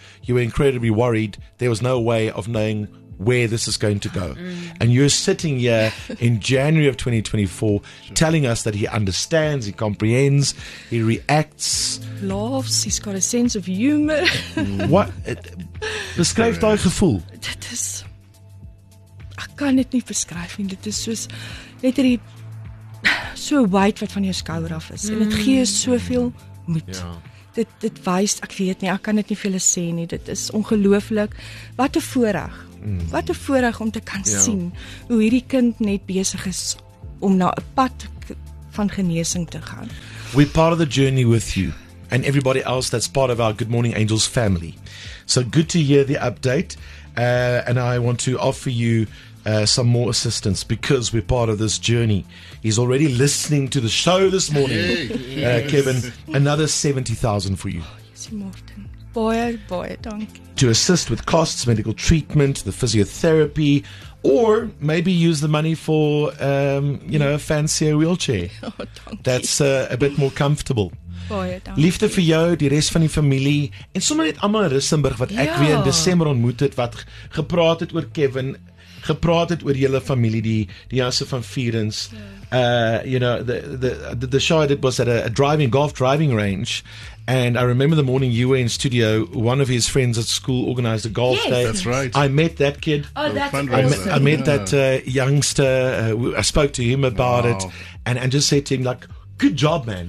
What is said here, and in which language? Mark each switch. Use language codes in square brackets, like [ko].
[en] You were incredibly worried. There was no way of knowing where this is going to go. Mm. And you're sitting here in January of 2024 telling us that he understands, he comprehends, he reacts. Laughs, he's got a sense of humor. [af] What? Beskryf daai gevoel. Dit is... Ek kan dit nie beskryf nie. Dit is soos... Net hierdie... so wyd wat van jou skouer af is. En dit gee soveel moed. Ja. Dit wys, ek weet nie, ek kan dit nie vir julle sê nie. Dit is ongelooflik. Wat 'n voorreg. Mm. Wat 'n voorreg om te kan sien hoe hierdie kind net besig is om na 'n pad van genesing te gaan. [en] We're part of the journey with you and everybody else that's part of our Good Morning Angels family. So good to hear the update. And I want to offer you some more assistance because we're part of this journey. He's already listening to the show this morning. Yes. Kevin, another 70,000 for you. Yes, Morten. Boy, thank you. To assist with costs, medical treatment, the physiotherapy, or maybe use the money for, a fancier wheelchair. Oh, thank you. That's a bit more comfortable. Boy, [af] liefde vir jou, die res van die familie en sommer net almal in Rustenburg wat ek weer in Desember ontmoet het, wat gepraat het oor Kevin, gepraat het oor julle familie, die Jansen van Vuuren. [en] The show I did was at a golf driving range, and I remember the morning you were in studio, one of his friends at school organized a golf day. That's right. I met that kid. Oh, that's awesome. I met that youngster, I spoke to him about it, and just said to him, like, good job, man.